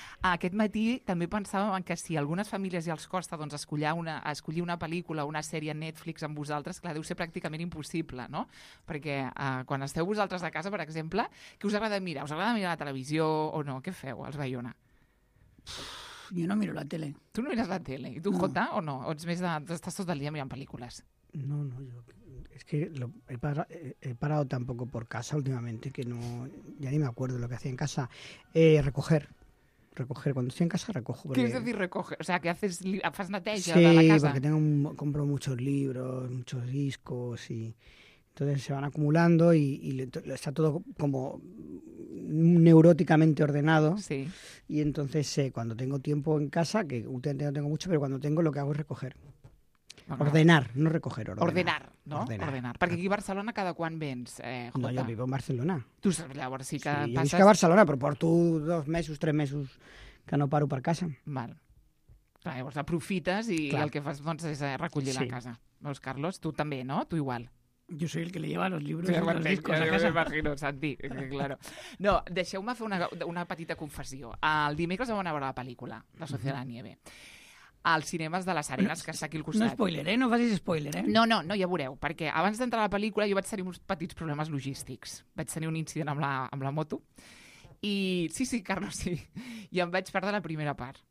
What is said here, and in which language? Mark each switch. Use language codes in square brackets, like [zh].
[ca] Aquest matí també pensàvem que si algunes famílies ja els costa doncs, escollir una pel·lícula o una sèrie Netflix amb vosaltres, clar, deu ser pràcticament impossible, no? Perquè quan esteu vosaltres a casa, per exemple, què us agrada mirar? Us agrada mirar la televisió o no? Què feu, els Bayona? Jo no miro la tele. Tu no mires la tele. I tu, no. Jota, o no? O ets més d'estar tot el dia mirant pel·lícules? No, jo... [es] És que he parado tampoco por casa últimamente, que no... Ya ni me acuerdo lo que hacía en casa. Recoger. Recoger. Cuando estoy en casa, recojo. Porque... ¿Qué es decir recoger? O sea, que [ca] fas neteja [es] sí, de la casa. Sí, porque compro muchos libros, muchos discos y... Entonces se van acumulando y está todo como neuróticamente ordenado. Sí. Y entonces cuando tengo tiempo en casa, que últimamente no tengo mucho, pero cuando tengo lo que hago es recoger. Bueno, ordenar, no recoger, ordenar. Ordenar, ¿no? Ordenar. [ca] Perquè aquí a Barcelona cada quan vens, Jota? [es] No, jo vivo en Barcelona. [ca] Tu saps, llavors sí que passes... Sí, jo visc a Barcelona, però porto 2 mesos, 3 mesos que no paro per casa. Val. Clar, llavors aprofites i clar, el que fas doncs, és recollir sí, la casa. Veus, Carlos? Tu també, no? Tu igual. [es] Yo soy el que le lleva los libros y sí, los discos. Yo me imagino, Santi, claro. [ca] No, deixeu-me fer una petita confessió. El dimecres vam anar a veure la pel·lícula, La Sociedad de la Nieve. Als cinemes de les Arenes, que està aquí al costat. No spoiler, no facis spoiler, No, ja veureu, perquè abans d'entrar a la pel·lícula jo vaig tenir uns petits problemes logístics. Vaig tenir un incident amb la moto i, sí, Carlos, sí, i em vaig perdre la primera part.